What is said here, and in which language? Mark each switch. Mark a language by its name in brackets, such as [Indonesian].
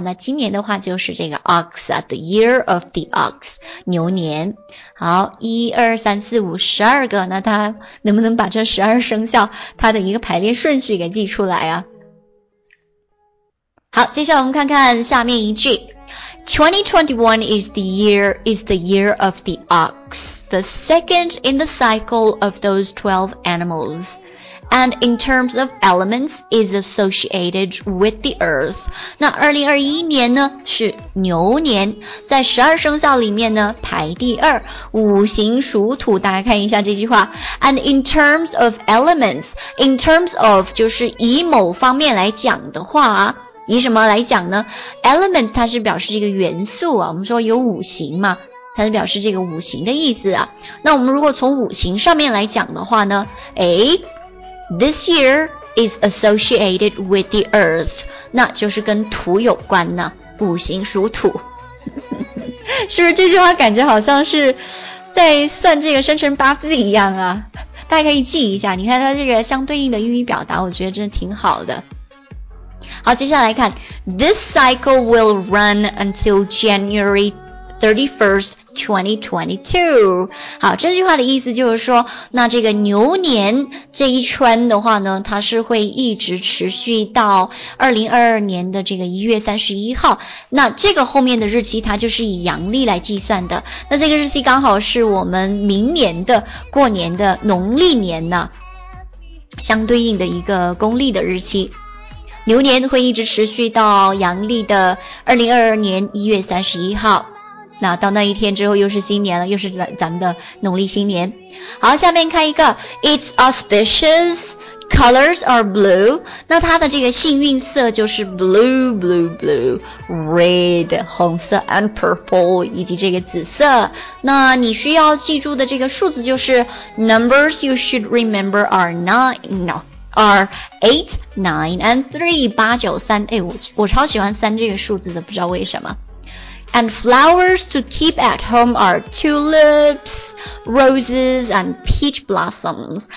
[Chinese] 那今年的话就是这个 ox 啊， [English] the year of the ox， [Chinese] 牛年。好，一二三四五，十二个，那它能不能把这十二生肖它的一个排列顺序给记出来啊？好，接下来我们看看下面一句。 [English] 2021 is the year of the ox, the second in the cycle of those 12 animals, and in terms of elements is associated with the earth. [Chinese] 那2021年呢是牛年，在十二生肖里面呢排第二，五行属土，大家看一下这句话。 [English] And in terms of [Chinese] elements, in terms of 就是以某方面来讲的话，以什么来讲呢？ element 它是表示这个元素啊，我们说有五行嘛，它是表示这个五行的意思啊。那我们如果从五行上面来讲的话呢，诶， [English] this year is associated with the earth， [Chinese] 那就是跟土有关呢，五行属土。是不是这句话感觉好像是在算这个生辰八字一样啊？大家可以记一下，你看它这个相对应的英语表达，我觉得真的挺好的。好，接下来看 [English] This cycle will run until January 31st, 2022. [Chinese] 好，这句话的意思就是说，那这个牛年这一圈的话呢，它是会一直持续到2022年的这个1月31号。那这个后面的日期它就是以阳历来计算的。那这个日期刚好是我们明年的过年的农历年呢，相对应的一个公历的日期。牛年会一直持续到阳历的2022年1月31号。那到那一天之后又是新年了，又是咱们的农历新年。好，下面看一个 [English] It's auspicious, colors are blue. [Chinese] 那它的这个幸运色就是 [English] blue, red, [Chinese] 红色 and purple, 以及这个紫色。那你需要记住的这个数字就是 [English] numbers you should remember are 8, 9, and 3, [Chinese] 八九三。哎，我超喜欢三这个数字的，不知道为什么。 [English] And flowers to keep at home are tulips, roses, and peach blossoms.